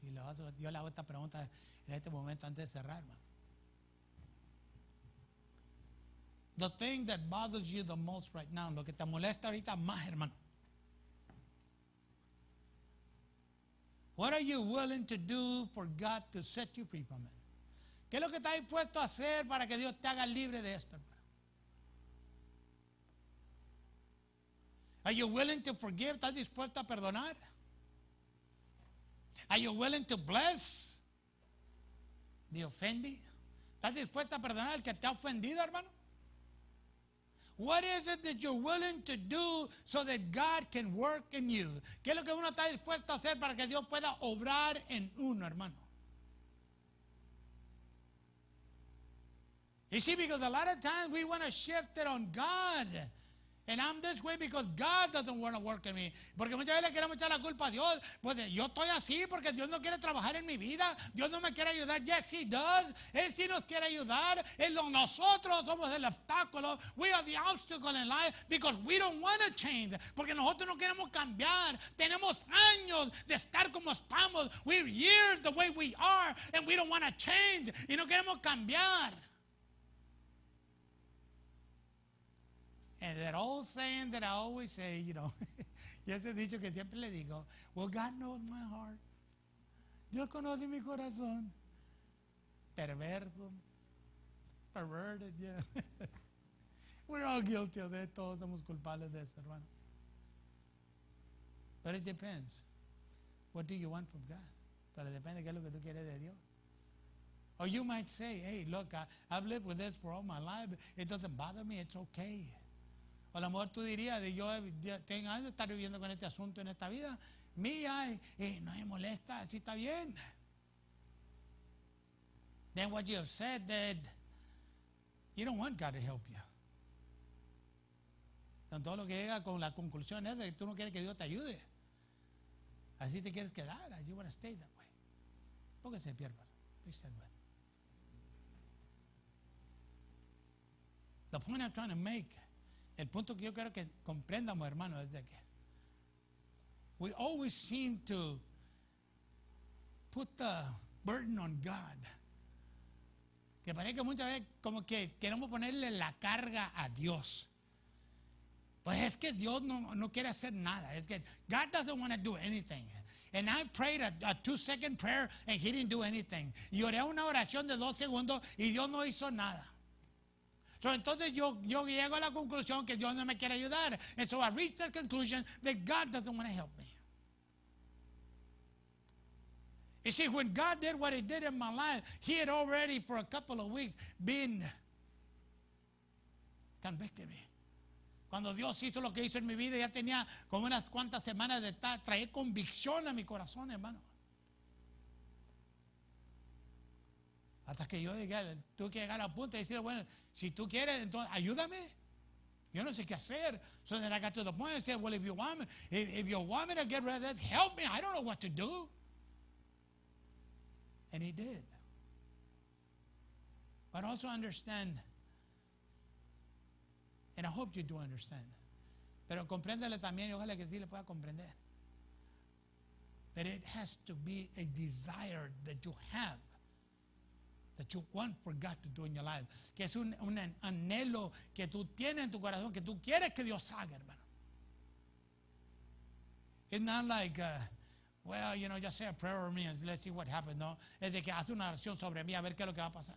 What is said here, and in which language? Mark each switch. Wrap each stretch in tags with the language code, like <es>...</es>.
<es>Y yo le hago esta pregunta en este momento antes de cerrar, hermano.</es> <en>The thing that bothers you the most right now,</en> <es>lo que te molesta ahorita más, hermano.</es> <en>What are you willing to do for God to set you free from it?</en> <es>¿Qué es lo que estás dispuesto a hacer para que Dios te haga libre de esto, hermano?</es> <en>Are you willing to forgive?</en> <es>¿Estás dispuesto a perdonar?</es> <en>Are you willing to bless the offending?</en> <es>¿Estás dispuesto a perdonar al que te ha ofendido, hermano?</es> <en>What is it that you're willing to do so that God can work in you?</en> <es>¿Qué es lo que uno está dispuesto a hacer para que Dios pueda obrar en uno, hermano?</es> <en>You see, because a lot of times we want to shift it on God. And I'm this way because God doesn't want to work in me.</en> <es>Porque muchas veces le queremos echar la culpa a Dios. Pues yo estoy así porque Dios no quiere trabajar en mi vida. Dios no me quiere ayudar.</es> <en>Yes, he does.</en> <es>Él sí nos quiere ayudar. Nosotros somos el obstáculo.</es> <en>We are the obstacle in life because we don't want to change.</en> <es>Porque nosotros no queremos cambiar. Tenemos años de estar como estamos.</es> <en>We're years the way we are and we don't want to change.</en> <es>Y no queremos cambiar.</es> <en>And that old saying that I always say, you know,</en> <es>ya se ha dicho que siempre le digo,</es> <en>well, God knows my heart.</en> <es>Dios conoce mi corazón. Perverso.</es> <en>Perverted, yeah. We're all guilty of that.</en> <es>Todos somos culpables de eso, hermano.</es> <en>But it depends. What do you want from God?</en> <es>Pero depende de qué es lo que tú quieres de Dios.</es> <en>Or you might say, hey, look, I've lived with this for all my life. It doesn't bother me. It's okay.</en> <es>A lo mejor tú dirías, yo tengo años de estar viviendo con este asunto en esta vida. Mía, no me molesta, así está bien.</es> <en>Then what you have said that you don't want God to help you.</en> <es>Entonces todo lo que llega con la conclusión es de que tú no quieres que Dios te ayude. Así te quieres quedar,</es> <en>you want to stay that way.</en> <es>Póngase de pie, hermano.</es> <en>The point I'm trying to make,</en> <es>el punto que yo quiero que comprendamos, hermano, es de que</es> <en>we always seem to put the burden on God.</en> <es>Que parece que muchas veces como que queremos ponerle la carga a Dios. Pues es que Dios no quiere hacer nada. Es que</es> <en>God doesn't want to do anything. And I prayed a 2-second prayer and he didn't do anything.</en> <es>Y oré una oración de 2 segundos y Dios no hizo nada. So entonces yo llego a la conclusión que Dios no me quiere ayudar.</es> <en>And so I reached the conclusion that God doesn't want to help me. You see, when God did what he did in my life, he had already for a couple of weeks been convicted me.</en> <es>Cuando Dios hizo lo que hizo en mi vida, ya tenía como unas cuantas semanas de traer convicción a mi corazón, hermano. Hasta que yo dije, tuve que llegar a punto y decir, bueno, si tú quieres, entonces ayúdame. Yo no sé qué hacer.</es> <en>So then I got to the point and said, well, if you want me to get rid of that, help me. I don't know what to do. And he did. But also understand, and I hope you do understand,</en> <es>pero compréndele también, y ojalá que sí le pueda comprender,</es> <en>that it has to be a desire that you have, that you want for God to do in your life,</en> <es>que es un anhelo que tú tienes en tu corazón, que tú quieres que Dios haga, hermano.</es> <en>It's not like well, you know, just say a prayer over me and let's see what happens, no?</en> <es>Es de que haz una oración sobre mí a ver qué es lo que va a pasar.</es>